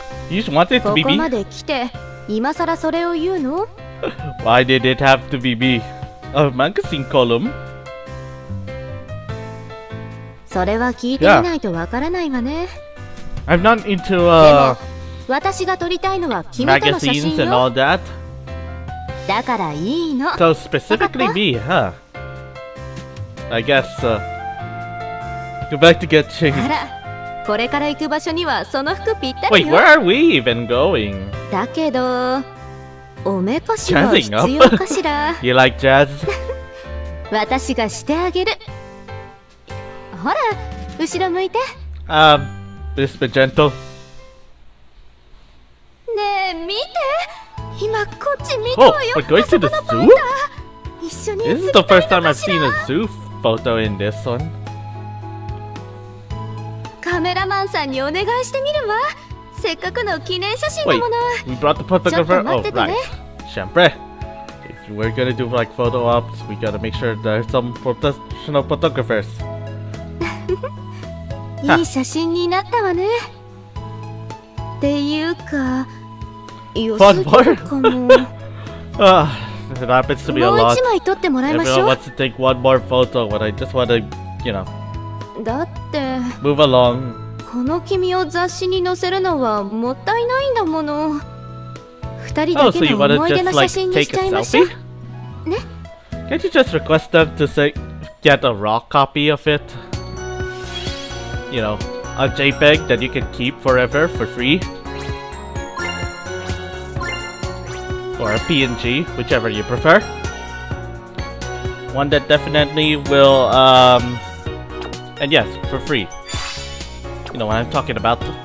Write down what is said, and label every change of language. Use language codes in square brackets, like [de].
[en] You just wanted it to be me? [ja] ここまで来て、今さらそれを言うの? [en] Why did it have to be me? A magazine column? [ja] それは聞いてみないとわからないわね。 [en] I'm not into, [ja] でも、私が撮りたいのは君との写真よ。 [en] Magazines and all that. [ja] だからいいの。 [en] So specifically me, huh? I guess, go back to get changed. [ja] あら、これから行く場所にはその服ぴったりよ。 [en] Wait, where are we even going? [ja] だけど、おめかしは必要かしら。 [en] You like jazz? [ja] 私がしてあげる。ほら、後ろ向いて。 [en] Just be gentle. [ja] ねえ、見て。今こっち見たわよ。 [en] Oh, we're going to the zoo? This is the first time I've seen a zoo photo in this one. [ja] カメラマンさんにお願いしてみるわ。せっかくの記念写真のものは。 [en] Wait, we brought the photographer? Oh, right. Champre. If we're gonna do like photo ops, we gotta make sure there's some professional photographers. [ja] いい写真になったわね。っていうか、よすぎるかも。 [en] It happens to be a lot. [ja] もう一枚撮ってもらいましょう。 [en] Everyone wants to take one more photo, but I just want to, you know. [ja] だって、 [en] move along. [ja] この君を雑誌に載せるのはもったいないんだもの。二人だけの思い出の写真にしちゃいましょう。ね。 [en] Can't you just request them to say, get a raw copy of it? You know, a JPEG that you can keep forever for free. Or a PNG, whichever you prefer. One that definitely will, and yes, for free. You know what I'm talking about.